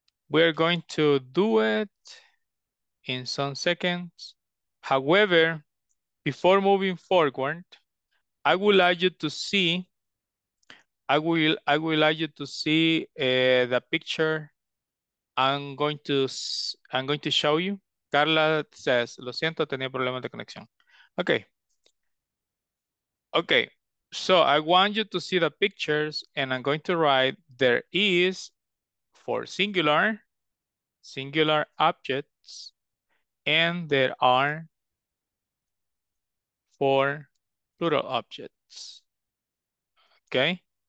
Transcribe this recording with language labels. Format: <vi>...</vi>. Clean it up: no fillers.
<en>We're going to do it in some seconds. However, before moving forward, I would like you to see I will like you to see the picture I'm going to show you. Carla says,</en> <es>lo siento, tenía problemas de conexión.</es> <en>Okay. Okay. So I want you to see the pictures, and I'm going to write there is for singular objects, and there are for plural objects. Okay.</en>